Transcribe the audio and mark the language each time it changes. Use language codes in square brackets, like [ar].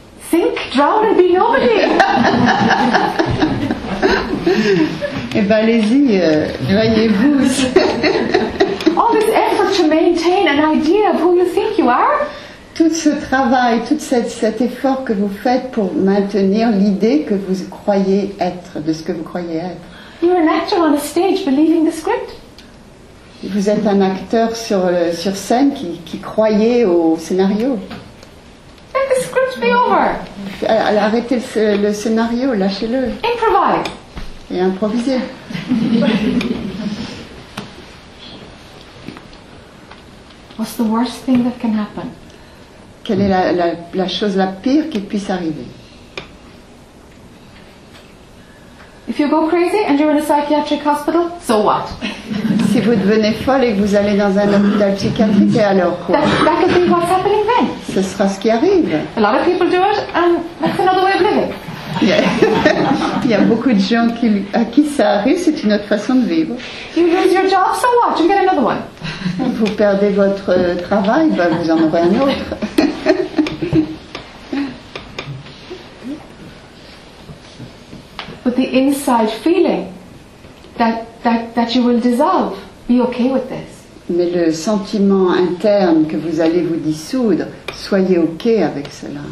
[en] Think, drown and be nobody. [fr] Eh ben allez-y, noyez-vous. [en] All this effort to maintain an idea of who you think you are. [fr] Tout ce travail, tout cet effort que vous faites pour maintenir l'idée que vous croyez être, de ce que vous croyez être. [en] You're an actor on a stage believing the script. [fr] Vous êtes un acteur sur scène qui croyait au scénario. [en] Let the script be over. [fr] Arrêtez le scénario, lâchez-le. [en] Improvise. [fr] Et improvisez. [en] What's the worst thing that can happen? [fr] Quelle est la chose la pire qui puisse arriver? [en] If you go crazy and you're in a psychiatric hospital, so what? [fr] Si vous devenez folle et que vous allez dans un hôpital psychiatrique, et alors quoi? [en] That could be what's happening then. [fr] Ce sera ce qui arrive. [en] A lot of people do it, and that's another way of living. Yeah. [fr] Il y a beaucoup de gens qui, à qui ça arrive, c'est une autre façon de vivre. [en] You lose your job, so what? You get another one. [fr] Vous perdez votre travail, ben vous en aurez un autre. [en] But the inside feeling that you will dissolve, be okay with this. [fr] Mais le sentiment interne que vous allez vous dissoudre, soyez ok avec cela.